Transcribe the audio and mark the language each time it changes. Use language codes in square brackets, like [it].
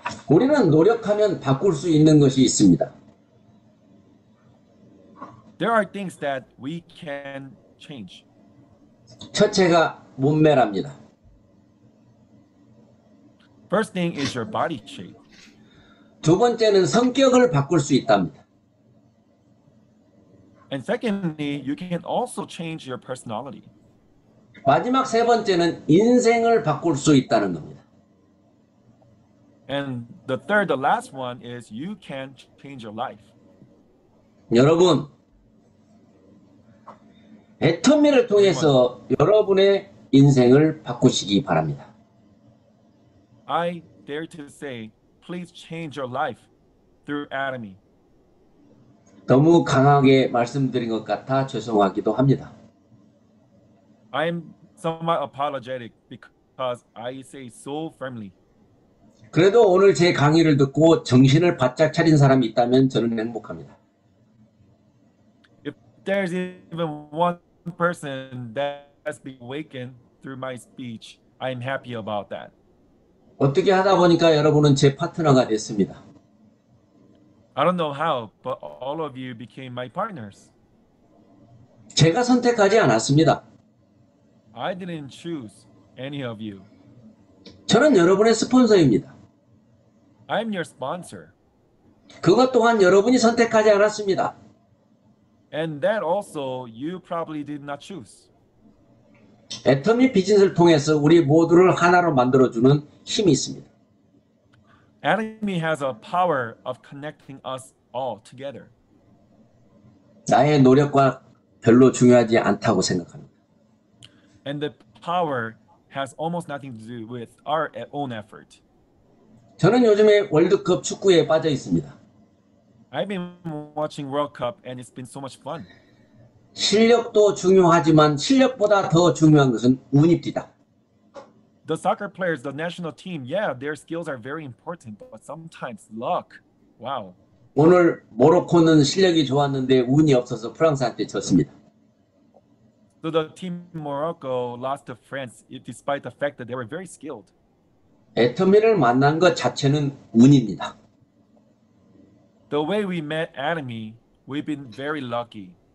[ko] 우리는 노력하면 바꿀 수 있는 것이 있습니다. [en] There are things that we can change. [ko] 첫째가 몸매랍니다. [en] First thing is your body shape. [ko] 두 번째는 성격을 바꿀 수 있답니다. [en] And secondly, you can also change your personality. [ko] 마지막 세 번째는 인생을 바꿀 수 있다는 겁니다. [en] And the third, the last one is you can change your life. [ko] 여러분, 애터미를 통해서 여러분의 인생을 바꾸시기 바랍니다. [en] I dare to say, please change your life through atomy. [ko] 너무 강하게 말씀드린 것 같아 죄송하기도 합니다. [en] I'm somewhat apologetic because I say so firmly. [ko] 그래도 오늘 제 강의를 듣고 정신을 바짝 차린 사람이 있다면 저는 행복합니다. [en] If there's even one person that has been awakened through my speech, I'm happy about that. [ko] 어떻게 하다 보니까 여러분은 제 파트너가 됐습니다. [en] I don't know how, but all of you became my partners. [ko] 제가 선택하지 않았습니다. [en] I didn't choose any of you. [ko] 저는 여러분의 스폰서입니다. [en] I'm your sponsor. [ko] 그것 또한 여러분이 선택하지 않았습니다. [en] And that also you probably did not choose. [ko] 애터미 비즈니스를 통해서 우리 모두를 하나로 만들어주는 힘이 있습니다. [en] Atomy has a power of connecting us all together. [ko] 나의 노력과 별로 중요하지 않다고 생각합니다. [en] And the power has almost nothing to do with our own effort. [ko] 저는 요즘에 월드컵 축구에 빠져 있습니다. [en] I've been watching World Cup and it's been so much fun. [ko] 실력도 중요하지만 실력보다 더 중요한 것은 운입니다. [en] The soccer players, the national team, yeah, their skills are very important, but sometimes luck. Wow. [ko] 오늘 모로코는 실력이 좋았는데 운이 없어서 프랑스한테 졌습니다. [en] So the team Morocco lost to France despite the fact that they were very skilled. [ko] 애터미를 만난 것 자체는 운입니다. [en] The way we met Atomy, we've been very lucky.